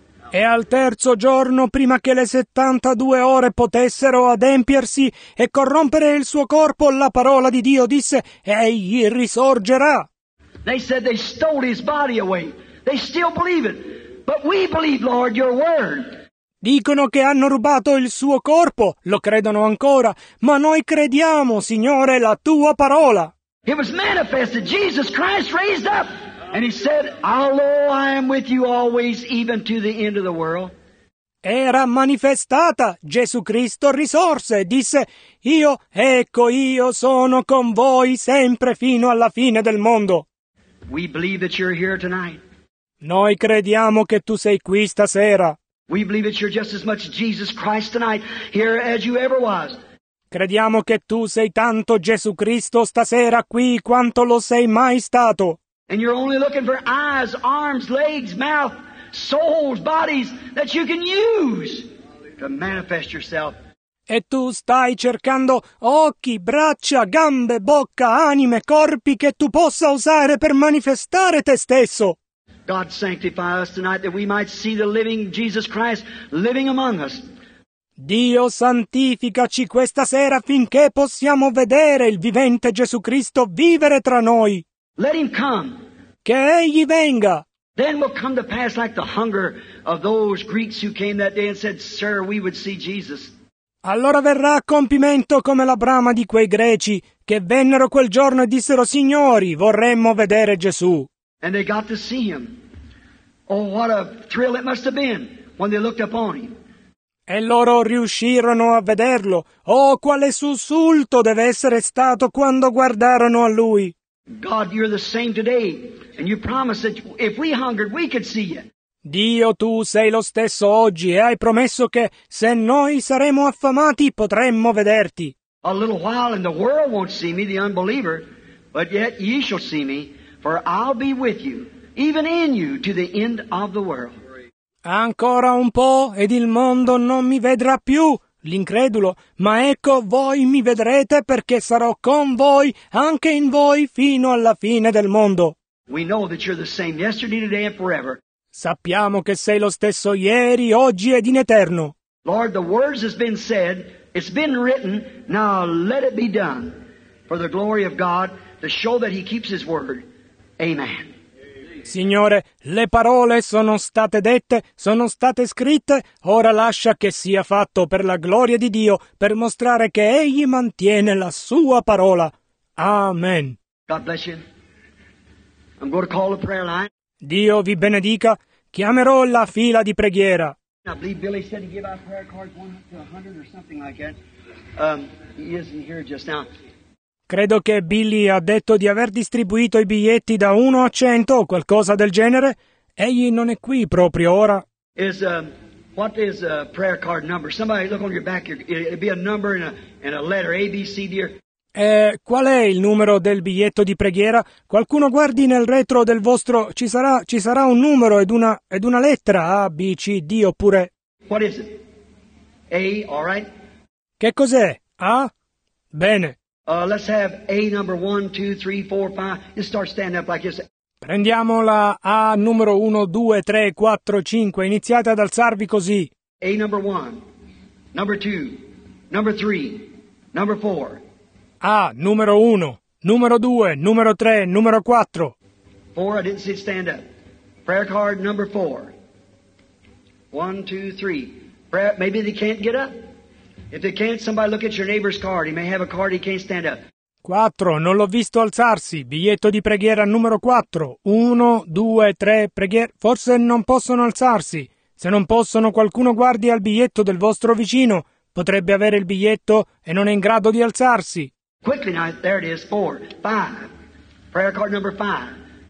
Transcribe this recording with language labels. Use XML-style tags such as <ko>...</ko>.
<it>E al terzo giorno, prima che le 72 ore potessero adempiersi e corrompere il suo corpo, la parola di Dio disse, egli risorgerà.</it> <en>They said they stole his body away. They still believe it. But we believe, Lord, your word.</en> <it>Dicono che hanno rubato il suo corpo, lo credono ancora, ma noi crediamo, Signore, la tua parola.</it> <en>It was manifested. Jesus Christ raised up. And he said, although I am with you always, even to the end of the world.</en> <it>Era manifestata. Gesù Cristo risorse e disse, io, ecco, io sono con voi sempre fino alla fine del mondo.</it> <en>We believe that you're here tonight.</en> <it>Noi crediamo che tu sei qui stasera.</it> <en>We believe that you're just as much Jesus Christ tonight, here as you ever was.</en> <it>Crediamo che tu sei tanto Gesù Cristo stasera qui quanto lo sei mai stato.</it> <en>And you're only looking for eyes, arms, legs, mouth, souls, bodies that you can use to manifest yourself.</en> <it>E tu stai cercando occhi, braccia, gambe, bocca, anime, corpi che tu possa usare per manifestare te stesso.</it> <en>God sanctify us tonight that we might see the living Jesus Christ living among us.</en> <it>Dio santificaci questa sera finché possiamo vedere il vivente Gesù Cristo vivere tra noi.</it> <en>Let him come.</en> <it>Che egli venga.</it> <en>Then will come to pass like the hunger of those Greeks who came that day and said, Sir, we would see Jesus.</en> <it>Allora verrà a compimento come la brama di quei greci che vennero quel giorno e dissero, Signori, vorremmo vedere Gesù.</it> <en>And they got to see him. Oh, what a thrill it must have been when they looked upon him.</en> <it>E loro riuscirono a vederlo. Oh, quale sussulto deve essere stato quando guardarono a lui.</it> <en>God, you're the same today, and you promised that if we hungered, we could see you.</en> <it>Dio, tu sei lo stesso oggi e hai promesso che se noi saremo affamati potremmo vederti.</it> <en>A little while and the world won't see me, the unbeliever, but yet ye shall see me, for I'll be with you, even in you, to the end of the world.</en> <it>Ancora un po' ed il mondo non mi vedrà più, l'incredulo, ma ecco voi mi vedrete perché sarò con voi, anche in voi, fino alla fine del mondo.</it> <en>We know that you're the same yesterday, today and forever.</en> <it>Sappiamo che sei lo stesso ieri, oggi ed in eterno.</it> <en>Lord, the words has been said, it's been written, now let it be done, for the glory of God, to show that he keeps his word. Amen.</en> <it>Signore, le parole sono state dette, sono state scritte, ora lascia che sia fatto per la gloria di Dio, per mostrare che Egli mantiene la sua parola. Amen.</it> <en>God bless you. I'm going to call the prayer line.</en> <it>Dio vi benedica, chiamerò la fila di preghiera.</it> <en>I believe Billy said to give out prayer cards 1 to 100 or something like that. He isn't here just now.</en> <it>Credo che Billy ha detto di aver distribuito i biglietti da 1 a 100 o qualcosa del genere. Egli non è qui proprio ora.</it> <en>Is what is a prayer card number? Somebody look on your back. It'll be a number and a letter A B C D.</en> <it>Qual è il numero del biglietto di preghiera? Qualcuno guardi nel retro del vostro. Ci sarà un numero ed una lettera A B C D oppure.</it> <en>What is it? A, all right.</en> <it>Che cos'è? A. Bene.</it> <en>Let's have A number 1, 2, 3, 4, 5. Just start standing up like this.</en> <it>Prendiamo la A numero 1, 2, 3, 4, 5. Iniziate ad alzarvi così.</it> <en>A number 1, number 2, number 3, number 4.</en> <it>A numero 1, numero 2, numero 3, numero 4.</it> <en>4, I didn't see it stand up. Prayer card number 4. 1, 2, 3. Prayer, maybe they can't get up. If they can't, somebody look at your neighbor's card. He may have a card he can't stand up.</en> <it>4, non l'ho visto alzarsi. Biglietto di preghiera numero 4. 1, 2, 3, preghiera. Forse non possono alzarsi. Se non possono, qualcuno guardi al biglietto del vostro vicino. Potrebbe avere il biglietto e non è in grado di alzarsi.</it> <en>Quickly now, there it is, 4, 5. Prayer card number 5.</en>